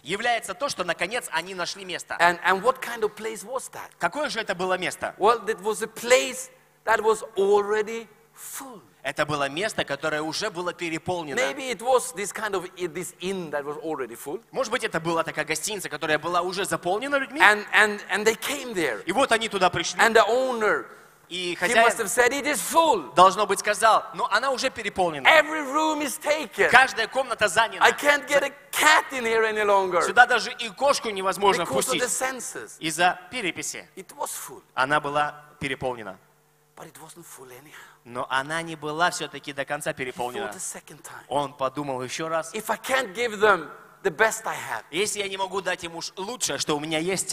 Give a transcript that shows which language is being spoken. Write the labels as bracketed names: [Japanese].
[Russian] Является то, что наконец они нашли место. [English] And what kind of place was that? [Russian] Какое же это было место? [English] Well, it was a place that was already full. [Russian] Это было место, которое уже было переполнено. [English] Maybe it was this kind of this inn that was already full. [Russian] Может быть, это была такая гостиница, которая была уже заполнена людьми. [English] And they came there. [Russian] И вот они туда пришли. [English] And the owner. [Russian] И хозяин, должно быть, сказал, но она уже переполнена. [English] Every room is taken. [Russian] Каждая комната занята. [English] I can't get a cat in here any longer. [Russian] Сюда даже и кошку невозможно впустить. [English] Because of the census. [Russian] Из-за переписи. [English] It was full. [Russian] Она была переполнена. [English] But it wasn't full anyhow. [Russian] Но она не была все-таки до конца переполнена. [English] He thought a second time. [Russian] Он подумал еще раз. [English] If I can't give them the best I have. [Russian] Если я не могу дать им уж лучшее, что у меня есть,